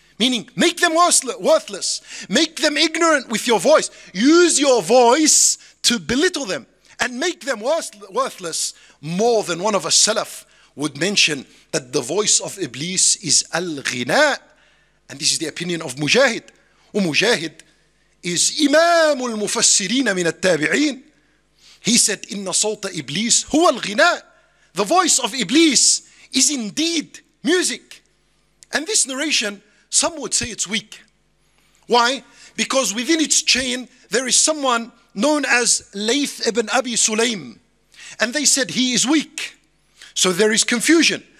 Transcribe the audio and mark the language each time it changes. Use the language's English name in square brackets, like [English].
[English] Meaning, make them worthless. Make them ignorant with your voice. Use your voice to belittle them and make them worthless. More than one of us Salaf would mention that the voice of Iblis is al-ghina. And this is the opinion of Mujahid. [Arabic] ومجاهد is إمام المفسرين من التابعين. [English] He said, [Arabic] إن صوت إبليس هو الغناء. [English] The voice of Iblis is indeed music. And this narration, some would say it's weak. Why? Because within its chain, there is someone known as Layth ibn Abi Sulaym. And they said he is weak. So there is confusion.